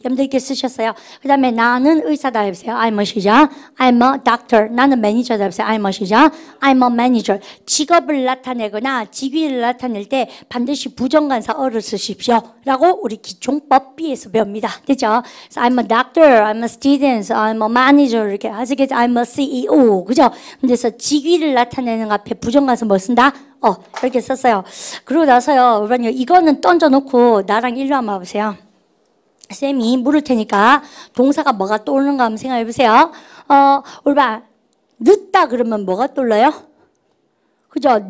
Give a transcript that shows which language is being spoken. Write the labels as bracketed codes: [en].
[ko] 여러분들 이렇게 쓰셨어요. 그 다음에 나는 의사다 해보세요. [en] I am [ko] 시작. [en] I am a doctor. [ko] 나는 매니저다 해보세요. [en] I am [ko] 시작. [en] I am a manager. [ko] 직업을 나타내거나 직위를 나타낼 때 반드시 부정관사 어를 쓰십시오. 라고 우리 기총법 B에서 배웁니다. 되죠? [en] So I'm a doctor, I'm a student, I'm a manager [ko] 이렇게 하시겠죠? [en] I'm a CEO, [ko] 그죠? 그래서 직위를 나타내는 앞에 부정관사 뭐 쓴다? 이렇게 썼어요. 그러고 나서요, 그러면 이거는 던져놓고 나랑 일로 한번 와보세요. 쌤이 물을 테니까 동사가 뭐가 떠오르는가 한번 생각해보세요. 올바른 늦다 그러면 뭐가 떠올라요? 그죠?